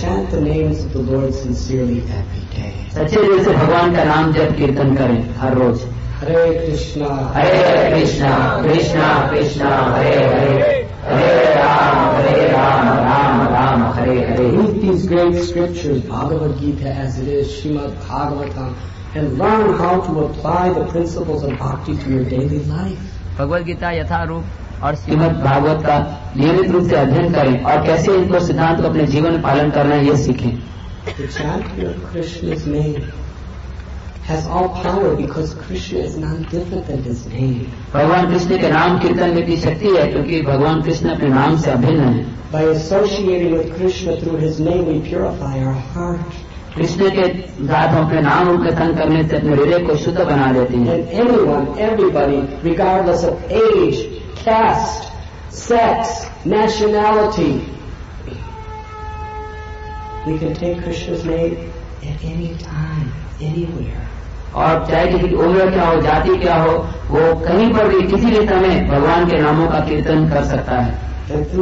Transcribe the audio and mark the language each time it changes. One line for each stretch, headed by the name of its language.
English: Chant the names of the Lord sincerely every day.
Hindi: सच्चे दिल से भगवान का नाम जब कीर्तन करें हर रोज
Sanskrit: हरे Krishna Krishna Krishna Hare Hare Hare Ram, Ram Ram, Hare Hare.
English: Read these great scriptures, Bhagavad Gita as it is, Srimad Bhagavatam, and learn how to apply the principles of bhakti to your daily life.
Hindi: Bhagavad Gita yatha roop और श्रीमद् भागवत का नियमित रूप से अध्ययन करें और कैसे इनको सिद्धांत को अपने जीवन में पालन करना है ये सीखें।
English: Has all power because Krishna is none different than his name.
Hindi: भगवान कृष्ण के नाम कीर्तन में की शक्ति है क्योंकि भगवान कृष्ण अपने नाम से अभिन्न है।
English: By associating with Krishna through his name, we purify our heart.
Hindi: Krishna के साथ अपने नाम कीर्तन करने से अपने हृदय को शुद्ध बना देते हैं।
English: And anyone, everybody, regardless of age, caste, sex, nationality, we can take Krishna's name at any time.
Hindi: और चाहे किसी उम्र क्या हो जाति क्या हो वो कहीं पर भी किसी भी समय भगवान के नामों का कीर्तन कर सकता है।